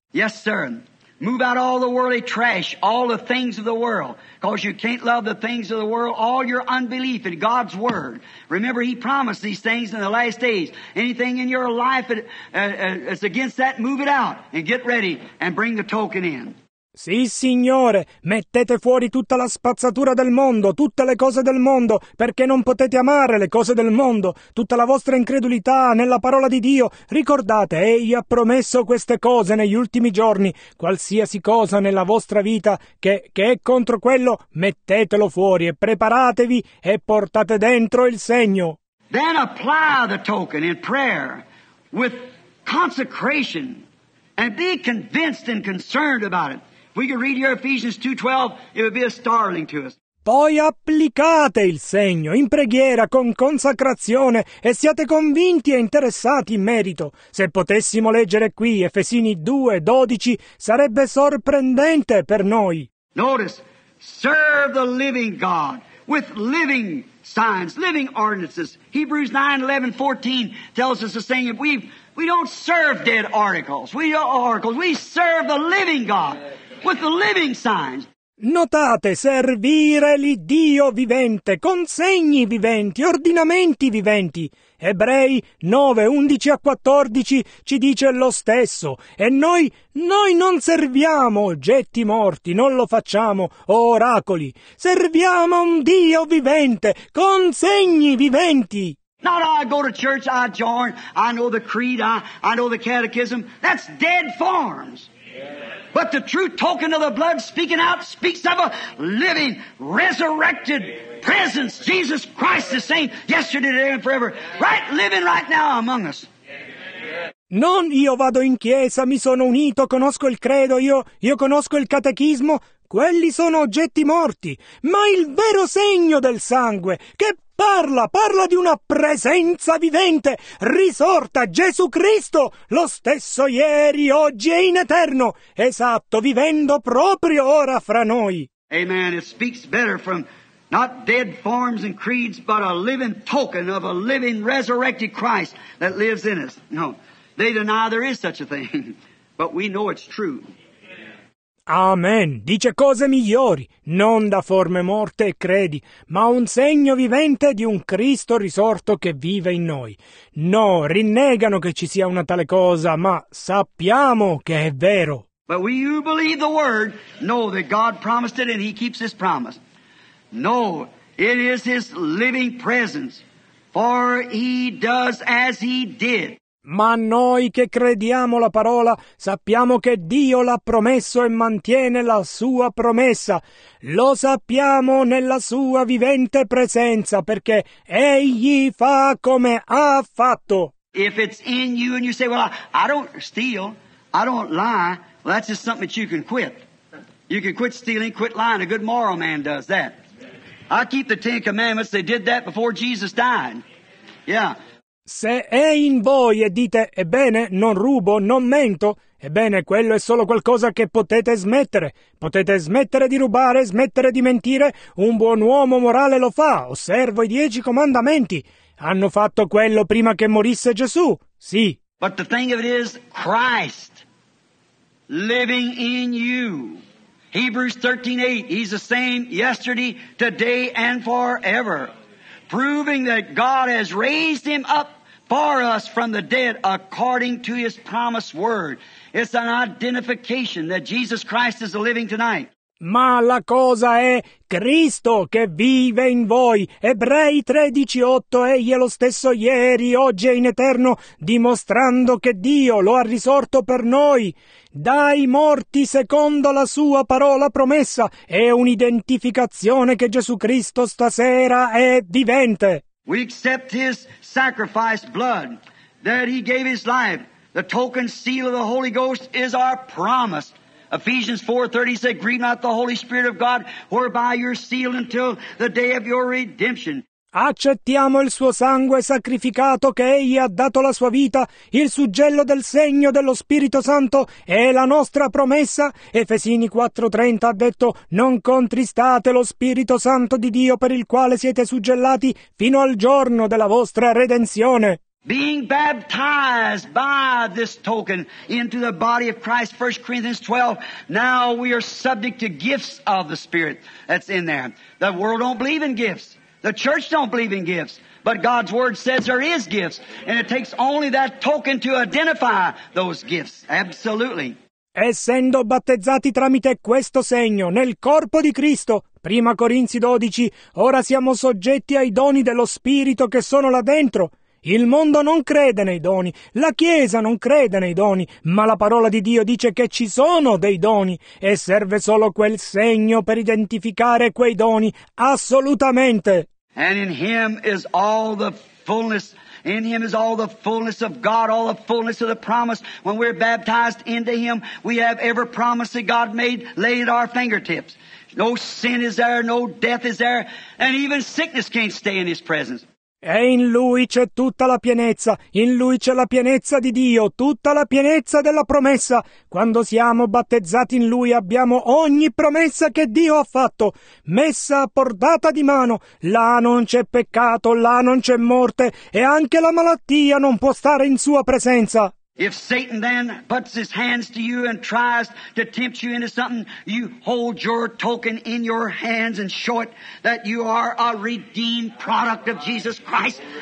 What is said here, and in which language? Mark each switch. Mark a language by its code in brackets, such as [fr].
[en] Yes, sir. Move out all the worldly trash, all the things of the world, because you can't love the things of the world, all your unbelief in God's word. Remember, he promised these things in the last days. Anything in your life that's against that, move it out and get ready and bring the token in. [it] Sì, Signore, mettete fuori tutta la spazzatura del mondo, tutte le cose del mondo, perché non potete amare le cose del mondo, tutta la vostra incredulità nella parola di Dio. Ricordate, Egli ha promesso queste cose negli ultimi giorni. Qualsiasi cosa nella vostra vita che è contro quello, mettetelo fuori e preparatevi e portate dentro il segno. [en] Then apply the token in prayer with consecration and be convinced and concerned about it. We can read your Ephesians 2:12, it would be a startling to us. [it] Poi applicate il segno in preghiera con consacrazione e siate convinti e interessati in merito. Se potessimo leggere qui Efesini 2:12, sarebbe sorprendente per noi. [en] Notice, serve the living God with living signs, living ordinances. Hebrews 9:11-14 tells us the same. We don't serve dead articles. We are oracles. We serve the living God. With the living signs. [it] Notate, servire l'Iddio vivente con segni viventi, ordinamenti viventi. Ebrei 9:11-14 ci dice lo stesso. E noi non serviamo oggetti morti, non lo facciamo, o oracoli. Serviamo un Dio vivente con segni viventi. [en] No, I go to church, I join, I know the creed, I know the catechism. That's dead forms. But the true token of the blood speaking out speaks of a living, resurrected presence. Jesus Christ the same yesterday, today and forever. Right, living right now among us. [it] Non io vado in chiesa, mi sono unito, conosco il credo, io conosco il catechismo. Quelli sono oggetti morti. Ma il vero segno del sangue che parla di una presenza vivente, risorta, Gesù Cristo, lo stesso ieri, oggi e in eterno, esatto, vivendo proprio ora fra noi. Amen. [en] It speaks better from not dead forms and creeds, but a living token of a living resurrected Christ that lives in us. No, they deny there is such a thing, but we know it's true. Amen. [it] Dice cose migliori, non da forme morte e credi, ma un segno vivente di un Cristo risorto che vive in noi. No, rinnegano che ci sia una tale cosa, ma sappiamo che è vero. [en] But we who believe the word know that God promised it and he keeps his promise. No, it is his living presence, for he does as he did. [it] Ma noi che crediamo la parola sappiamo che Dio l'ha promesso e mantiene la sua promessa. Lo sappiamo nella sua vivente presenza perché egli fa come ha fatto. [en] If it's in you and you say, well, I don't steal, I don't lie, well, that's just something that you can quit. You can quit stealing, quit lying. A good moral man does that. I keep the Ten Commandments. They did that before Jesus died. Yeah. [it] Se è in voi e dite, ebbene, non rubo, non mento, ebbene, quello è solo qualcosa che potete smettere. Potete smettere di rubare, smettere di mentire. Un buon uomo morale lo fa, osservo i 10 comandamenti. Hanno fatto quello prima che morisse Gesù, sì. [en] But the thing of it is, Christ living in you. Hebrews 13:8, he's the same yesterday, today and forever. Proving that God has raised him up for us from the dead according to his promised word. It's an identification that Jesus Christ is living tonight. [it] Ma la cosa è Cristo che vive in voi. Ebrei 13:8, egli è lo stesso ieri, oggi e in eterno, dimostrando che Dio lo ha risorto per noi. Dai morti secondo la sua parola promessa, è un'identificazione che Gesù Cristo stasera è vivente. [en] We accept his sacrificed blood, that he gave his life, The token seal of the Holy Ghost is our promise. Ephesians 4:30 said, "Grieve not the Holy Spirit of God, whereby you're sealed until the day of your redemption." [it] Accettiamo il suo sangue sacrificato che egli ha dato la sua vita, il suggello del segno dello Spirito Santo è la nostra promessa. Efesini 4:30 ha detto: "Non contristate lo Spirito Santo di Dio per il quale siete suggellati fino al giorno della vostra redenzione." [en] Being baptized by this token into the body of Christ, 1 Corinthians 12, now we are subject to gifts of the Spirit that's in there. The world don't believe in gifts. The church don't believe in gifts, but God's Word says there is gifts, and it takes only that token to identify those gifts. Absolutely. [it] Essendo battezzati tramite questo segno nel corpo di Cristo, 1 Corinzi 12, ora siamo soggetti ai doni dello Spirito che sono là dentro. Il mondo non crede nei doni, la Chiesa non crede nei doni, ma la parola di Dio dice che ci sono dei doni e serve solo quel segno per identificare quei doni, assolutamente. [en] And in him is all the fullness. In him is all the fullness of God, all the fullness of the promise. When we're baptized into him, we have every promise that God made laid at our fingertips. No sin is there, no death is there, and even sickness can't stay in his presence. [it] E in Lui c'è tutta la pienezza, in Lui c'è la pienezza di Dio, tutta la pienezza della promessa. Quando siamo battezzati in Lui abbiamo ogni promessa che Dio ha fatto, messa a portata di mano. Là non c'è peccato, là non c'è morte, e anche la malattia non può stare in sua presenza. [en] If Satan then puts his hands to you and tries to tempt you into something, you hold your token in your hands and show it that you are a redeemed product of Jesus Christ.